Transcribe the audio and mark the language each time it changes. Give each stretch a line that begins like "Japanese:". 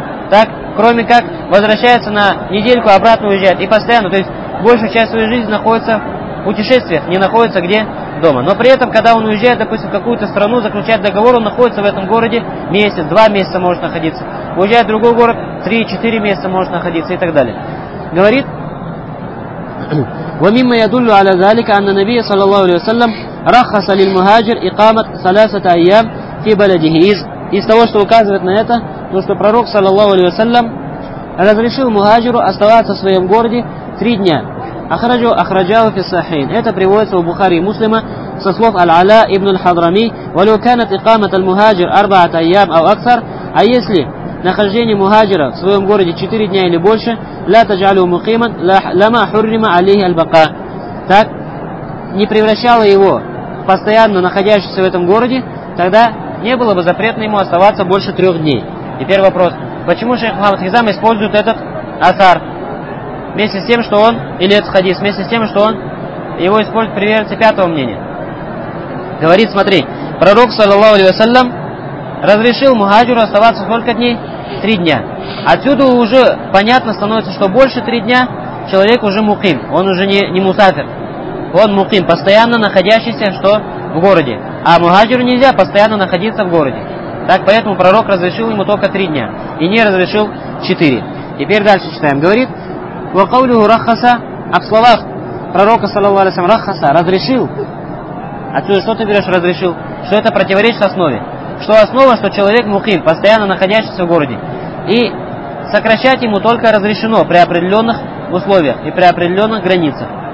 Russian: Так, кроме как возвращается на недельку, обратно уезжает и постоянно. То есть большую часть своей жизни находится в путешествиях, не находится где дома. Но при этом, когда он уезжает, допустим, в какую-то страну, заключает договор, он находится в этом городе месяц, 2 месяца может находиться. Уезжает в другой город, 3-4 месяца может находиться и так далее. Говорит,
Arabic: ومما يدل على ذلك أن النبي صلى الله عليه وسلم رخص للمهاجر إقامة 3 أيام في بلده.
Russian: Из того, что указывает на это, то что пророк
Arabic: صلى الله عليه وسلم
Russian: разрешил мухаджиру оставаться в своем городе 3 дня.
Arabic: أخرجه في الصحيحين.
Russian: Это приводится у Бухари и Муслима со слов Аль-Аля ибн Аль-Хадрами.
Arabic: ولو كانت إقامة المهاجر 4 أيام أو أكثر.
Russian: А если нахождение мухаджира в своем городе 4 дня или больше,
Arabic: ла таджалю мухиман, лама хуррима алейхи аль-бака.
Russian: Так, не превращало его постоянно находящийся в этом городе, тогда не было бы запрета ему оставаться больше 3 дней. Теперь вопрос. Почему шейх Мухаммад Хизам использует этот асар? Вместе с тем, что он, или этот хадис, вместе с тем, что он его использует, приверженцы 5-го мнения. говорит, смотри, пророк, саллаллаху алейхи ва саллям, разрешил мухаджиру оставаться сколько дней? 3 дня. Отсюда уже понятно становится, что больше 3 дня человек уже мукин. Он уже не мусафир. Он мукин, постоянно находящийся, что в городе. А мухаджиру нельзя постоянно находиться в городе. Так, поэтому пророк разрешил ему только 3 дня. И не разрешил 4. Теперь дальше читаем.
Arabic: Говорит, وَقَوْلُهُ رَخَّسَ.
Russian: А в словах пророка, саллаллаху алейхи ва саллям, رَخَّسَ, разрешил. Отсюда что ты берешь, разрешил? Что это противоречит основе. Что основа, что человек мухим, постоянно находящийся в городе. И сокращать ему только разрешено при определенных условиях и при определенных границах.